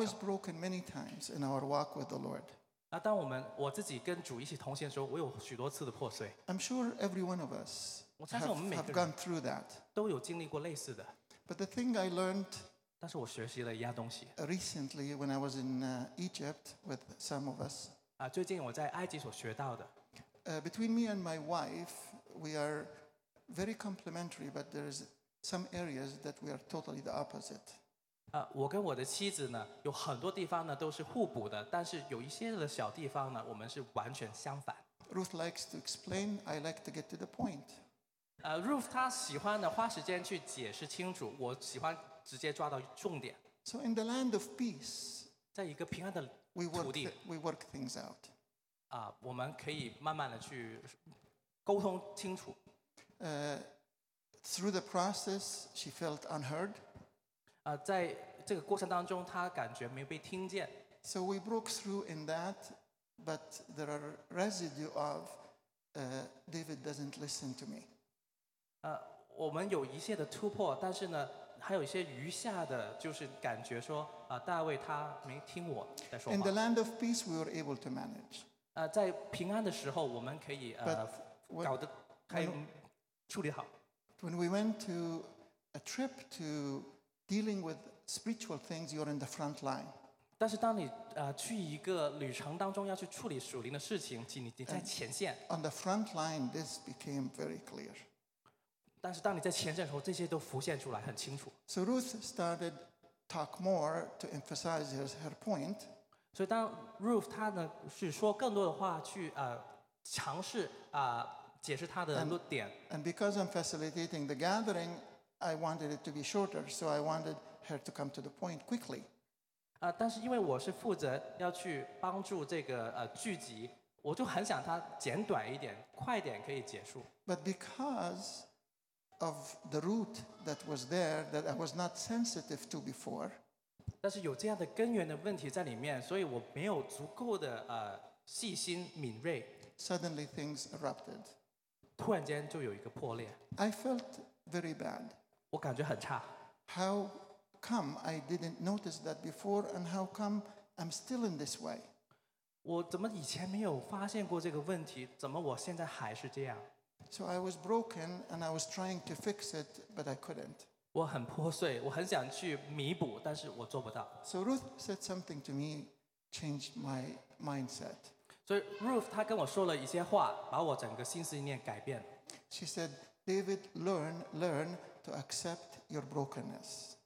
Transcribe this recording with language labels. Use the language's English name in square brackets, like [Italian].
[English] I was broken many times in our walk with the Lord. [Chinese] 那当我自己跟主一起同行的时候，我有许多次的破碎。 [English] I'm sure every one of us have gone through that. [Chinese] 都有经历过类似的。 [English] But the thing I learned. [Chinese] 但是我学习了一样东西。 [English] Recently, when I was in Egypt with some of us, [Chinese] 最近我在埃及所学到的。 [English] Between me and my wife, we are very complementary, but there is some areas that we are totally the opposite. [Chinese] 我跟我的妻子呢，有很多地方呢都是互补的，但是有一些的小地方呢，我们是完全相反。 [English] Ruth likes to explain. I like to get to the point. [Chinese] Ruth 她喜欢呢花时间去解释清楚，我喜欢。直接抓到重点。 [English] So in the land of peace, [Chinese] 在一个平安的土地 [English] we work things out. [Chinese] 我们可以慢慢的去沟通清楚。 [English] Through the process, she felt unheard. [Chinese] 在这个过程当中，她感觉没被听见。 [English] So we broke through in that, but there are residue of David doesn't listen to me. [Chinese] 我们有一些的突破，但是呢。还有一些余下的，就是感觉说，大卫他没听我在说话。 [English] In the land of peace, we were able to manage. [Chinese] 在平安的时候，我们可以搞得还处理好。 [English] When we went to a trip to dealing with spiritual things, you're in the front line. [Chinese] 但是当你去一个旅程当中要去处理属灵的事情，你在前线。 [English] On the front line, this became very clear. [Chinese] 但是当你在前线的时候，这些都浮现出来，很清楚。 [English] So Ruth started talk more to emphasize her point. [Chinese] 所以当 Ruth 她呢是说更多的话去尝试解释她的论点。 [English] And because I'm facilitating the gathering, I wanted it to be shorter, so I wanted her to come to the point quickly. [Chinese] 但是因为我是负责要去帮助这个聚集，我就很想她简短一点，快点可以结束。 [English] But because of the root that was there that I was not sensitive to before. [Chinese] 但是有这样的根源的问题在里面，所以我没有足够的细心敏锐。 [English] Suddenly things erupted. [Chinese] 突然间就有一个破裂。 [English] I felt very bad. [Chinese] 我感觉很差。 [English] How come I didn't notice that before, and how come I'm still in this way? [Chinese] 我怎么以前没有发现过这个问题？怎么我现在还是这样？ [English] So I was broken, and I was trying to fix it, but I couldn't. [Chinese] 我很破碎，我很想去弥补，但是我做不到。 [English] So Ruth said something to me, changed my mindset. [Chinese] 所以 Ruth 她跟我说了一些话，把我整个心思念改变。 [English] She said, David, learn to accept your brokenness.